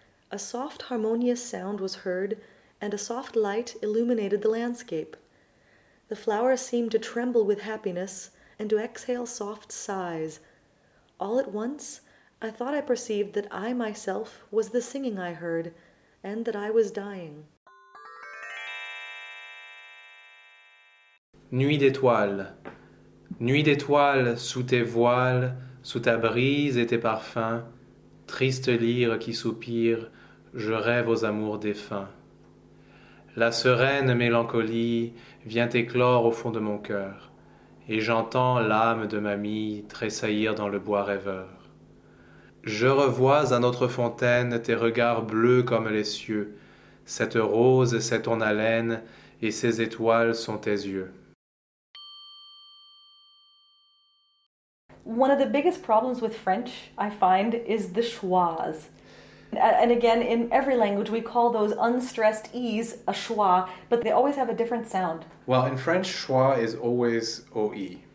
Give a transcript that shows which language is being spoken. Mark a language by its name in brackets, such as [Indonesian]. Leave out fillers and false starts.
[English] A soft, harmonious sound was heard, and a soft light illuminated the landscape. The flowers seemed to tremble with happiness and to exhale soft sighs. All at once, I thought I perceived that I myself was the singing I heard, and that I was dying. [French] Nuit d'étoiles, nuit d'étoiles sous tes voiles, sous ta brise et tes parfums, triste lyre qui soupire, je rêve aux amours défunts. La sereine mélancolie vient éclore au fond de mon cœur, et j'entends l'âme de mamie tressaillir dans le bois rêveur. Je revois à notre fontaine tes regards bleus comme les cieux, cette rose, c'est ton haleine, et ces étoiles sont tes yeux. [English] One of the biggest problems with French, I find, is the schwas. And again, in every language, we call those unstressed E's a schwa, but they always have a different sound. Well, in French, schwa is always OE.